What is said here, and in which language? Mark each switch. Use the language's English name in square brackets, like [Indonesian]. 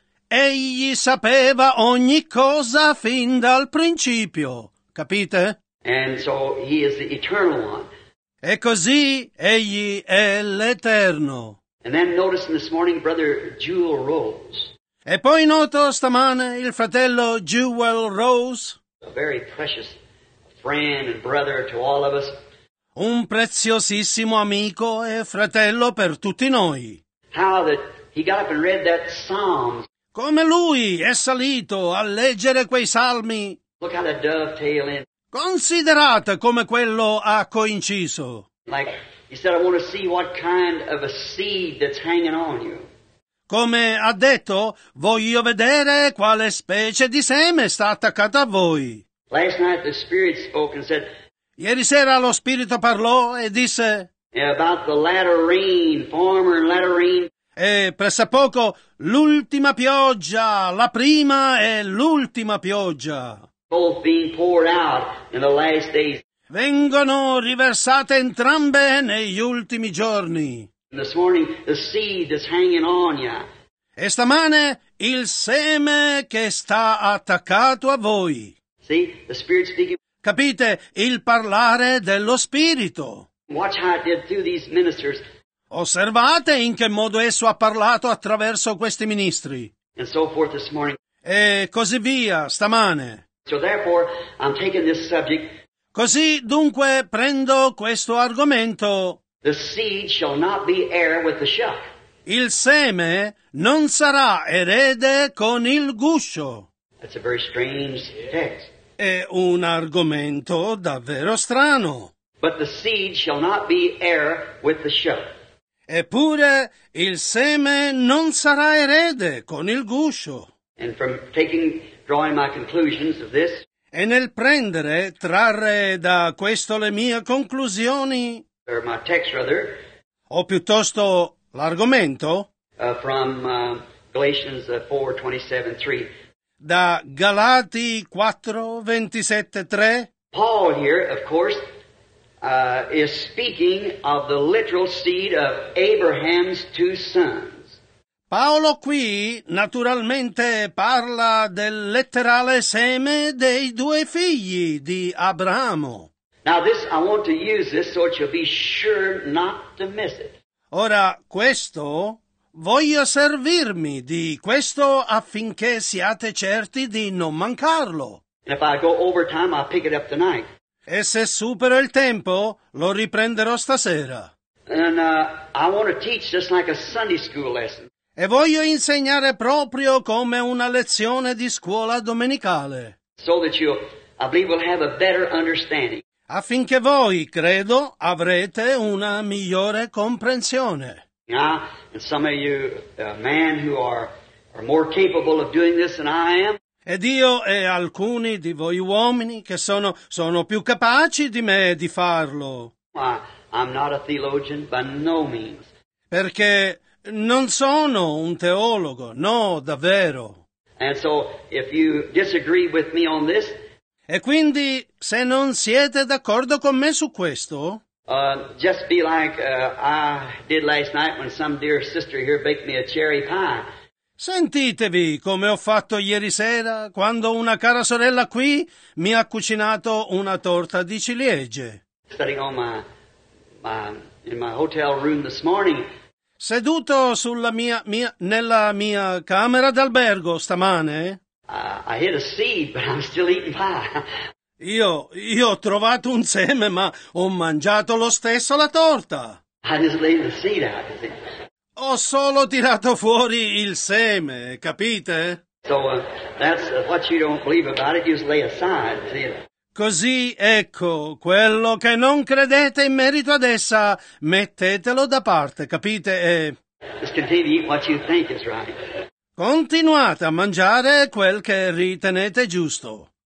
[Italian] Egli sapeva ogni cosa fin dal principio. Capite? [English] And so he is the eternal one. [Italian] E così egli è l'eterno. [English] And then noticing this morning, Brother Jewel Rose. [Italian] E poi noto stamane il fratello Jewel Rose. [English] A very precious friend and brother to all of us. [Italian] Un preziosissimo amico e fratello per tutti noi. [English] How that he got up and read that psalm. [Italian] Come lui è salito a leggere quei salmi. [English] Look how the dovetail in. [Italian] Considerate come quello ha coinciso. [English] Like he said, I want to see what kind of a seed that's hanging on you. [Italian] Come ha detto, voglio vedere quale specie di seme sta attaccata a voi. [English] Last night the Spirit spoke and said. [Italian] Ieri sera lo Spirito parlò e disse. [English] About the latter rain, former and latter rain. [Italian] E presso poco l'ultima pioggia, la prima e l'ultima pioggia. [English] Both being poured out in the last days. [Italian] Vengono riversate entrambe negli ultimi giorni. [English] This morning, the seed is hanging on ya. [Italian] E stamane il seme che sta attaccato a voi. [English] See, the Spirit's speaking. [Italian] Capite il parlare dello Spirito. [English] Watch how it did through these ministers. [Italian] Osservate in che modo esso ha parlato attraverso questi ministri. [English] And so forth this morning. [Italian] E così via stamane. [English] So therefore, I'm taking this subject. [Italian] Così dunque prendo questo argomento. [English] The seed shall not be heir with the shuck. [Italian] Il seme non sarà erede con il guscio. [English] That's a very strange text. [Italian] È un argomento davvero strano. [English] But the seed shall not be heir with the shuck. [Italian] Eppure il seme non sarà erede con il guscio. [English] And from drawing my conclusions of this. [Italian] E nel prendere, trarre da questo le mie conclusioni. [English] Or my text rather, [Italian] o piuttosto l'argomento [English] from Galatians 4:27-3. [Italian] Da Galati 4:27-3. [English] Paul here, of course, is speaking of the literal seed of Abraham's two sons. [Italian] Paolo qui naturalmente parla del letterale seme dei due figli di Abramo. [English] Now this, I want to use this so that you'll be sure not to miss it. [Italian] Ora, questo, voglio servirmi di questo affinché siate certi di non mancarlo. [English] And if I go over time, I'll pick it up tonight. [Italian] E se supero il tempo, lo riprenderò stasera. [English] And I want to teach just like a Sunday school lesson. [Italian] E voglio insegnare proprio come una lezione di scuola domenicale. [English] So that you, I believe, will have a better understanding. [Italian] Affinché voi, credo, avrete una migliore comprensione. [English] Now, and some of you, men who are more capable of doing this than I am. [Italian] Ed io e alcuni di voi uomini che sono più capaci di me di farlo. [English] I'm not a theologian by no means. [Italian] Perché non sono un teologo, no, davvero. [English] And so, if you disagree with me on this. [Italian] E quindi, se non siete d'accordo con me su questo, [English] just be like I did last night when some dear sister here baked me a cherry pie. [Italian] Sentitevi come ho fatto ieri sera quando una cara sorella qui mi ha cucinato una torta di ciliegie. [English] Sitting on in my hotel room this morning. [Italian] Seduto sulla mia camera d'albergo stamane. [English] I hit a seed, but I'm still eating pie. [Italian] Io ho trovato un seme, ma ho mangiato lo stesso la torta. [English] I just laid the seed out, you see. [Italian] Ho solo tirato fuori il seme, capite? [English] So that's what you don't believe about it, you just lay aside, you see. [Italian] Così, ecco, quello che non credete in merito ad essa, mettetelo da parte, capite? [English] Just continue to eat what you think is right. [Italian] Continuate a mangiare quel che ritenete giusto.